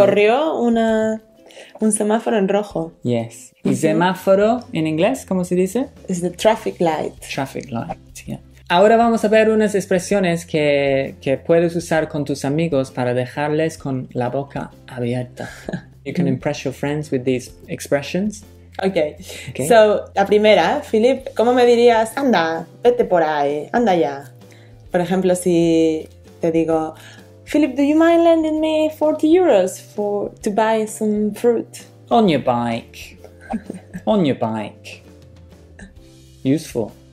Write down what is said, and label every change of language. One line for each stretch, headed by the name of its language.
Spanish: Corrió un semáforo en rojo.
English: Yes.
Spanish: ¿Y semáforo en inglés? ¿Cómo se dice?
English: It's the traffic light. Traffic light,
Spanish: Ahora vamos a ver unas expresiones que puedes usar con tus amigos para dejarles con la boca abierta.
English: You can impress your friends with these expressions. Okay. Okay.
Spanish: So, la primera, Philip, ¿cómo me dirías, anda, vete por ahí, anda ya? Por ejemplo, si te digo,
English: Philip, do you mind lending me 40 euros to buy some fruit? On your bike. On your bike. Useful.